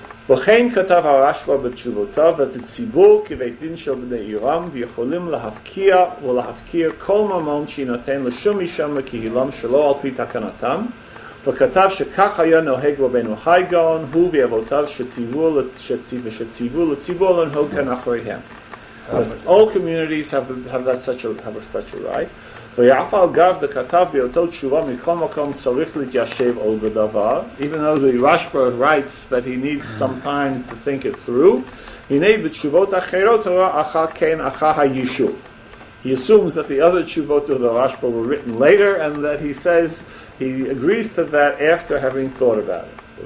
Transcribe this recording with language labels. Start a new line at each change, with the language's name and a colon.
Hebrew: וכן כתב הרשב"א בתשובותיו, ותציבור כבית דין של בני עירם, ויכולים להפקיע ולהפקיע כל ממון שיינתן לשום אישה מקהילם שלא על פי תקנתם, וכתב שכך היה נוהג רבנו חי גאון, הוא ואבותיו שציוו לציבור לנהוג כאן אחריהם.
English: All communities have such a right.
Hebrew: ויעף על גב וכתב באותו תשובה מכל מקום צריך להתיישב עוד בדבר.
English: Even though the Rashba writes that he needs some time to think it through,
Hebrew: הנה בתשובות אחרות הוא אחר כן אחר היישוב.
English: He assumes that the other תשובות of the Rashba were written later and that he says, he agrees to that after having thought about it.